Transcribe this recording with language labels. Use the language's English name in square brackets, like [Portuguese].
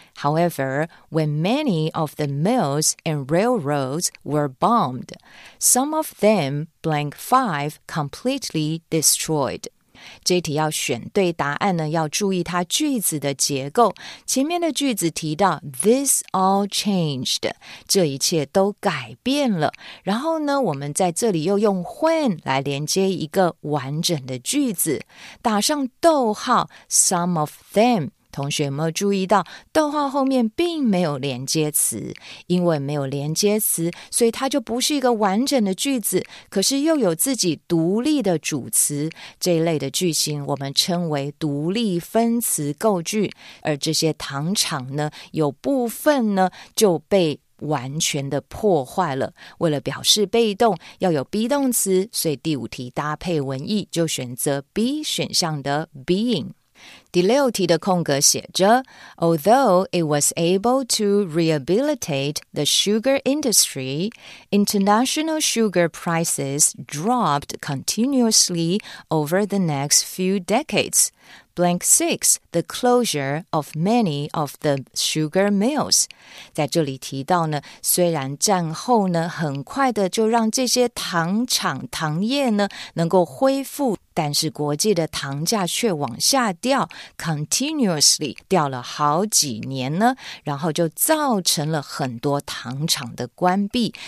[English] However, when many of the mills and railroads were bombed, some of them, blank 5, completely destroyed. [Chinese] 这题要选对答案呢，要注意它句子的结构。前面的句子提到 [English] This all changed [Chinese] 这一切都改变了，然后呢我们在这里又用 when 来连接一个完整的句子，打上逗号 [English] Some of them， [Chinese] 同学有没有注意到逗号后面并没有连接词，因为没有连接词，所以它就不是一个完整的句子，可是又有自己独立的主词，这一类的句型我们称为独立分词构句。而这些糖厂呢，有部分呢就被完全的破坏了，为了表示被动要有 be 动词，所以第五题搭配文意就选择 B 选项的 being。第六题的空格写着 [English] Although it was able to rehabilitate the sugar industry, international sugar prices dropped continuously over the next few decades. Blank 6, the closure of many of the sugar mills. [Chinese] 在这里提到呢，虽然战后呢，很快的就让这些糖厂糖业呢能够恢复，但是国际的糖价却往下掉continuously 掉了好几年呢，然后就造成了很多糖厂的关闭。